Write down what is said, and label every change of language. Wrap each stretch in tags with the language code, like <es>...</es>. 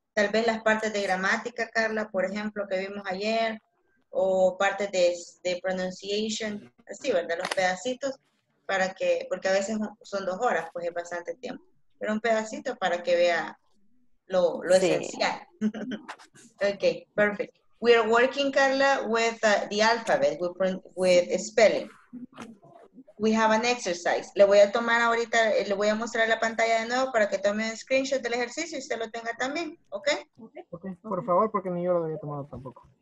<es>Tal vez las partes de gramática, Carla, por ejemplo, que vimos ayer, o partes de pronunciation, así, ¿verdad? Los pedacitos. Para que, porque a veces son dos horas, pues es bastante tiempo. Pero un pedacito para que vea lo sí. Esencial.</es> <en>Ok, perfect. We are working, Carla, with the alphabet, with spelling. We have an exercise.</en> <es>Le voy a tomar ahorita, le voy a mostrar la pantalla de nuevo para que tome un screenshot del ejercicio y usted lo tenga también, ¿ok? Ok, por favor, porque ni yo lo había tomado tampoco.</es>